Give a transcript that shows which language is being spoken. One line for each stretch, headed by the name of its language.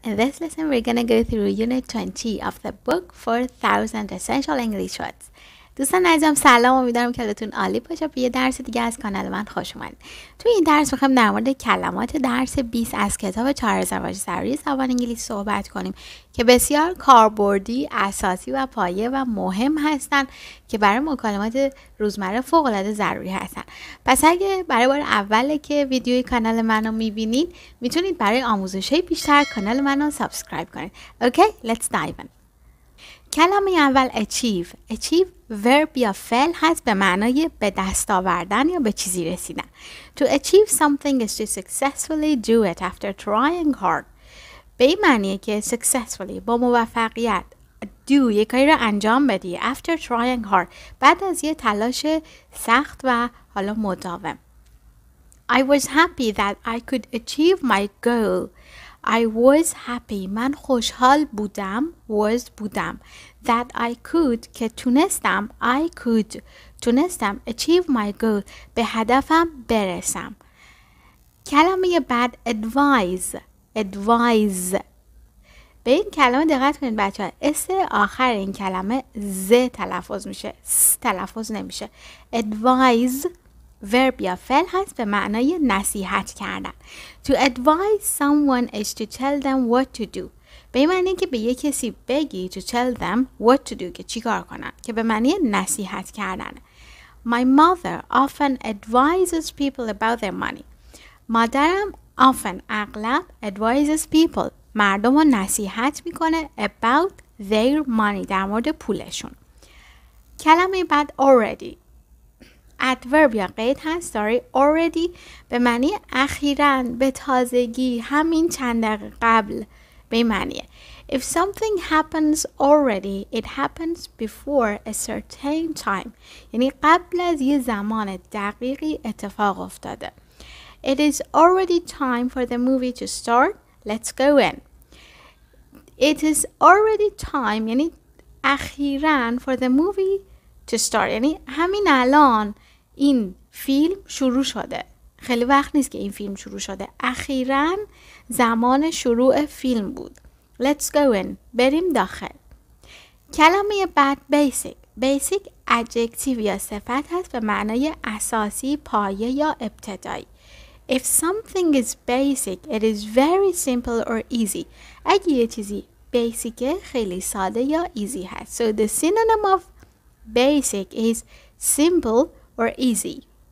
English: In this lesson, we're going to go through Unit 20 of the book 4000 Essential English Words.
Persian: دوستان عزیزم سلام، امیدوارم کلتون عالی باشه. به یه درس دیگه از کانال من خوش اومدید. توی این درس میخوایم در مورد کلمات درس 20 از کتاب 4000 واژه ضروری زبان انگلیسی صحبت کنیم که بسیار کاربردی، اساسی و پایه و مهم هستن که برای مکالمات روزمره فوق العاده ضروری هستن. پس اگه برای بار اوله که ویدیوی کانال منو میبینید، میتونید برای آموزش‌های بیشتر کانال منو سابسکرایب کنید.
English: Okay, let's dive in.
Persian: کلمه اول
English: achieve.
Persian: Achieve verb یا فعل هست به معنای به دست آوردن یا به چیزی رسیدن.
English: To achieve something is to successfully do it after trying hard.
Persian: به این معنیه که successfully با موفقیت do یک کاری را انجام بدی
English: after trying hard
Persian: بعد از یه تلاش سخت و حالا مداوم.
English: I was happy that I could achieve my goal. I was happy.
Persian: من خوشحال بودم.
English: Was بودم. That I could.
Persian: که تونستم.
English: I could. تونستم. Achieve my goal.
Persian: به هدفم برسم. کلمه بعد advise.
English: Advise.
Persian: به این کلمه دقت کنید بچه ها. S آخر این کلمه Z تلفظ میشه. S تلفظ نمیشه. Advise. Verb یا فعل هست به معنای نصیحت کردن.
English: To advise someone is to tell them what to do.
Persian: به این معنی که به یک کسی بگی
English: to tell them what to do
Persian: که چی کار کنن، که به معنی نصیحت کردن.
English: My mother often advises people about their money.
Persian: مادرم often اغلب
English: advises people
Persian: مردم رو نصیحت میکنه
English: about their money
Persian: در مورد پولشون. کلمه بعد already. Adverb یا قید هست داری already به معنی اخیراً، به تازگی، همین چند دقیقه قبل به معنیه.
English: If something happens already, it happens before a certain time.
Persian: یعنی قبل از یه زمان دقیقی اتفاق افتاده.
English: It is already time for the movie to start. Let's go in. It is already time
Persian: یعنی اخیراً
English: for the movie to start.
Persian: یعنی همین الان این فیلم شروع شده. خیلی وقت نیست که این فیلم شروع شده. اخیراً زمان شروع فیلم بود.
English: Let's go in.
Persian: بریم داخل. کلمه بعد basic. Basic adjective یا صفت هست به معنای اساسی، پایه یا ابتدایی.
English: If something is basic, it is very simple or easy.
Persian: اگه یه چیزی basic خیلی ساده یا easy هست.
English: So the synonym of basic is simple or easy.